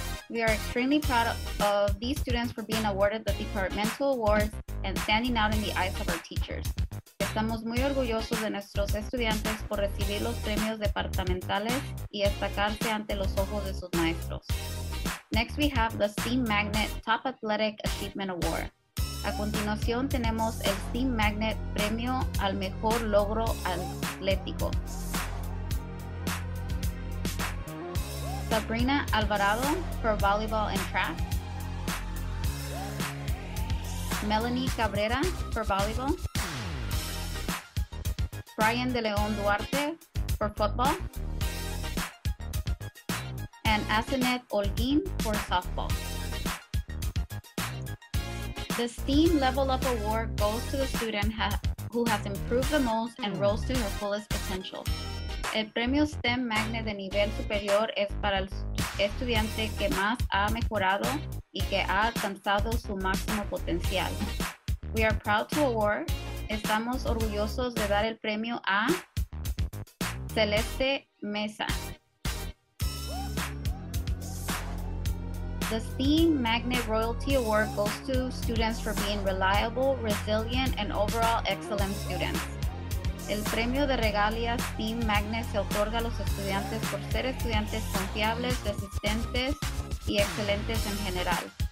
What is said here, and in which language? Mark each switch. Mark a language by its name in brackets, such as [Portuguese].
[English] We are extremely proud of these students for being awarded the departmental awards and standing out in the eyes of our teachers. [Spanish] Estamos muy orgullosos de nuestros estudiantes por recibir los premios departamentales y destacarse ante los ojos de sus maestros. [English] Next, we have the STEAM Magnet Top Athletic Achievement Award. [Spanish] A continuación, tenemos el STEAM Magnet Premio al Mejor Logro Atlético. [English] Sabrina Alvarado for Volleyball and Track. Melanie Cabrera for Volleyball. Brian De Leon Duarte for Football. And Asenet Olguin for Softball. The STEAM Level Up Award goes to the student who has improved the most and rose to her fullest potential. [Spanish] El premio STEM Magnet de nivel superior es para el estudiante que más ha mejorado y que ha alcanzado su máximo potencial. [English] We are proud to award. [Spanish] Estamos orgullosos de dar el premio a Celeste Mesa. [English] The STEAM Magnet Royalty Award goes to students for being reliable, resilient, and overall excellent students. [Spanish] El premio de regalías STEAM Magnet se otorga a los estudiantes por ser estudiantes confiables, resistentes, y excelentes en general.